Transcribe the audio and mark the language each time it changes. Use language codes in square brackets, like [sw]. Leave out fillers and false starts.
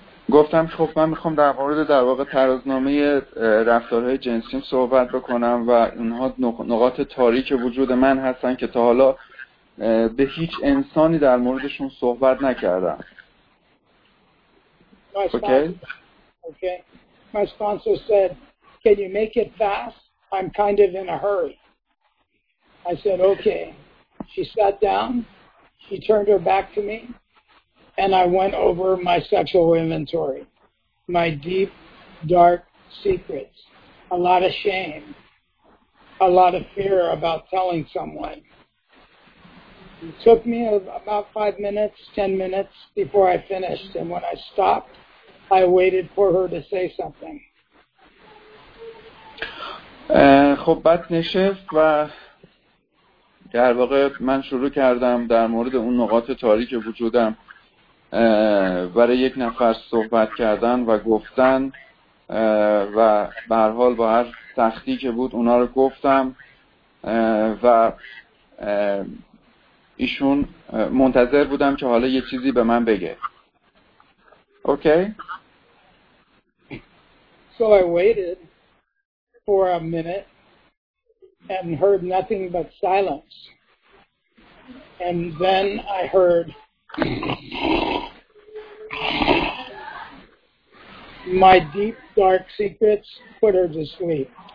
[fa] گفتم خب من میخوام در مورد در واقع ترازنامه رفتارهای جنسیم صحبت بکنم و اونها نقاط تاریک وجود من هستن که تا حالا به هیچ انسانی در موردشون صحبت نکردم. [en] Okay. Okay. My sponsor said, "Can you make it fast? I'm kind of in a hurry." I said, "Okay." She sat down. She turned her back to me. And I went over my sexual inventory, my deep, dark secrets, a lot of shame, a lot of fear about telling someone. It took me about 5 minutes, 10 minutes before I finished. And when I stopped, I waited for her to say something. [fa] خب بعد نشست و در واقع من شروع کردم در مورد اون نقاط تاریک وجودم برای یک نفر صحبت کردن و گفتن و به هر حال با هر سختی که بود اونا رو گفتم و ایشون منتظر بودم که حالا یه چیزی به من بگه. [en] Okay? So I waited for a minute and heard nothing but silence. And then I heard my deep dark secrets put her to sleep.